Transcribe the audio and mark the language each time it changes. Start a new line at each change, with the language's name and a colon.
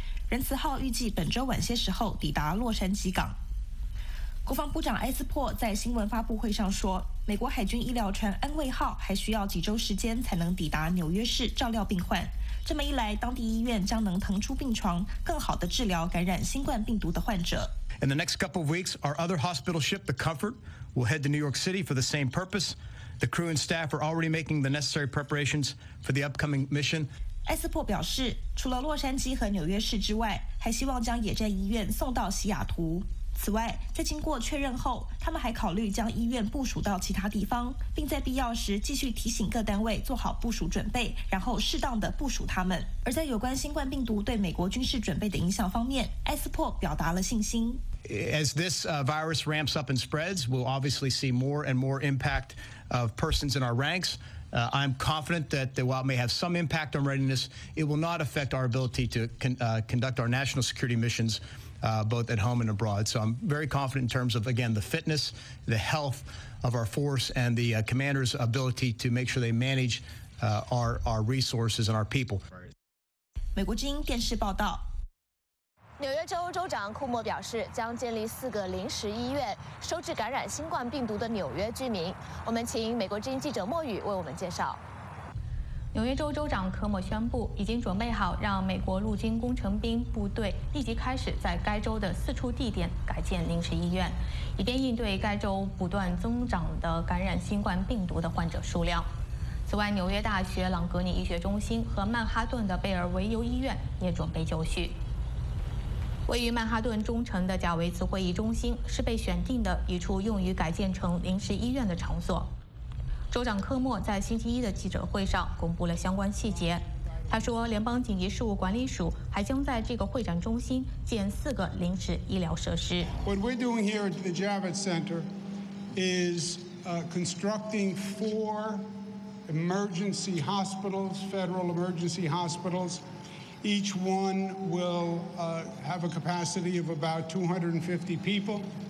Chinese: 仁慈号预计本周晚些时候抵达洛杉矶港。国防部长埃斯珀在新闻发布会上说，美国海军医疗船安慰号还需要几周时间才能抵达纽约市照料病患，这么一来，当地医院将能腾出病床，更好地治疗感染新冠病毒的患者。
English: In the next couple of weeks, our other hospital ship, the Comfort, will head to New York City for the same purpose. The crew and staff are already making the necessary preparations for the upcoming mission.
Chinese: 埃斯珀表示，除了洛杉矶和纽约市之外，还希望将野战医院送到西雅图。此外，在经过确认后，他们还考虑将医院部署到其他地方，并在必要时继续提醒各单位做好部署准备，然后适当的部署他们。而在有关新冠病毒对美国军事准备的影响方面，埃斯珀表达了信心。
English: As this virus ramps up and spreads, we'll obviously see more and more impact of persons in our ranks. I'm confident that while it may have some impact on readiness, it will not affect our ability to conduct our national security missions. Both at home and abroad. So I'm very confident in terms of, again, the fitness, the health of our force, and the commander's ability to make sure they manage our resources and our people.
Chinese: 美国之音电视报道。纽约州州长库莫表示，将建立四个临时医院，收治感染新冠病毒的纽约居民。我们请美国之音记者莫宇为我们介绍。纽约州州长科莫宣布，已经准备好让美国陆军工程兵部队立即开始在该州的四处地点改建临时医院，以便应对该州不断增长的感染新冠病毒的患者数量。此外，纽约大学朗格尼医学中心和曼哈顿的贝尔维尤医院也准备就绪。位于曼哈顿中城的贾维茨会议中心是被选定的一处用于改建成临时医院的场所。州长科莫在星期一的记者会上公布了相关细节。他说，联邦紧急事务管理署还将在这个会展中心建四个临时医疗设施。
English: What we're doing here at the Javits Center is constructing four emergency hospitals, federal emergency hospitals. Each one will have a capacity of about 250 people.